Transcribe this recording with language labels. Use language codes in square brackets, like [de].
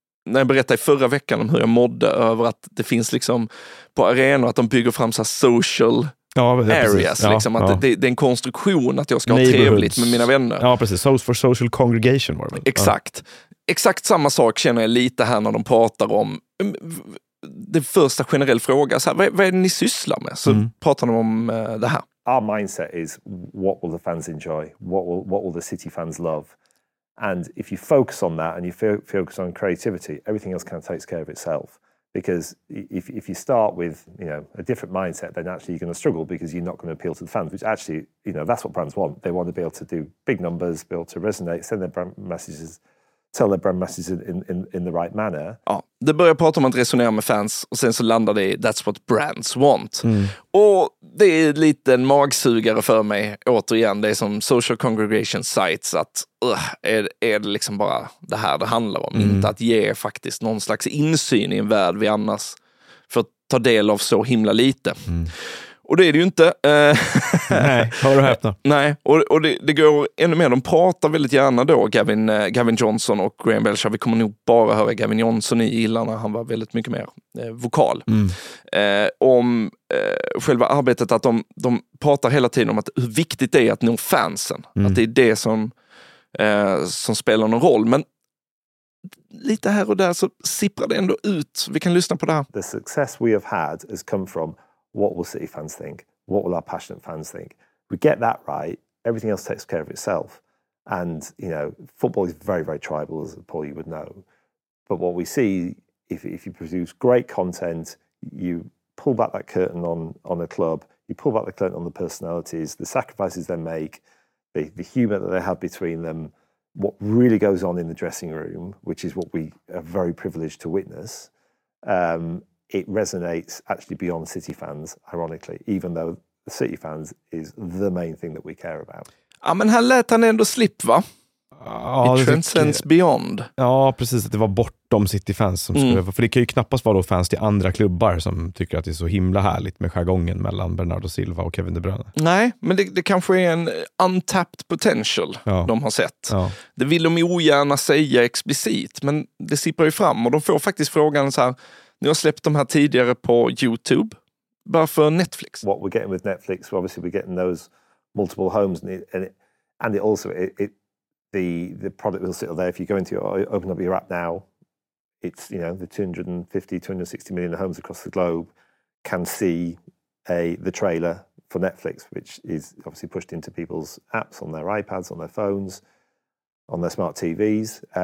[sv] när jag berättade i förra veckan om hur jag mådde över att det finns liksom på arenor att de bygger fram så här social areas. Ja, liksom, att det är en konstruktion att jag ska ha trevligt med mina vänner. Ja, precis. For social congregation var det väl. Exakt. Ja. Exakt samma sak känner jag lite här när de pratar om det första generella frågan. Så här, vad är det ni sysslar med? Så pratar de om det här. [en] Our mindset is, what will the fans enjoy? What will the city fans love? And if you focus on that and you focus on creativity, everything else kind of takes care of itself. Because if you start with, you know, a different mindset, then actually you're going to struggle because you're not going to appeal to the fans, which actually, you know, that's what brands want. They want to be able to do big numbers, be able to resonate, send their brand messages, tell their brand messages in the right manner. [sv] Ja, det börjar prata om att resonera med fans och sen så landar det i that's what brands want. Mm. Och det är lite en magsugare för mig, återigen, det är som social congregation sites, att är det liksom bara det här det handlar om? Mm. Inte att ge faktiskt någon slags insyn i en värld vi annars får ta del av så himla lite. Mm. Och det är det ju inte. Nej, har du hört då? Nej, och det går ännu mer. De pratar väldigt gärna då, Gavin Johnson och Graham Belcher. Vi kommer nog bara höra Gavin Johnson i illarna. Han var väldigt mycket mer vokal. Mm. Om själva arbetet, att de pratar hela tiden om att hur viktigt det är att nå fansen. Mm. Att det är det som spelar någon roll. Men lite här och där så sipprar det ändå ut. Vi kan lyssna på det här. [en] The success we have had has come from, what will City fans think? What will our passionate fans think? We get that right, everything else takes care of itself. And, you know, football is very, very tribal, as Paul, you would know. But what we see, if you produce great content, you pull back that curtain on a club, you pull back the curtain on the personalities, the sacrifices they make, the humour that they have between them, what really goes on in the dressing room, which is what we are very privileged to witness, it resonates actually beyond City fans, ironically, even though City fans is the main thing that we care about. [sv] Ja, men här lät han ändå slipp, va? Ja, [en] it transcends beyond. [sv] Ja, precis, att det var bortom City fans som skulle, för det kan ju knappast vara då fans till andra klubbar som tycker att det är så himla härligt med jargongen mellan Bernardo Silva och Kevin De Bruyne. Nej, men det kanske är en untapped potential, ja, de har sett. Ja. Det vill de ogärna säga explicit, men det sipprar ju fram och de får faktiskt frågan så här: ni har släppt de här tidigare på YouTube. Varför Netflix? [en] What we're getting with Netflix, obviously we're getting those multiple homes, and it also the product will sit there. If you go into open up your app now, it's, you know, the 250, 260 million homes across the globe can see the trailer for Netflix, which is obviously pushed into people's apps on their iPads, on their phones, on their smart TVs.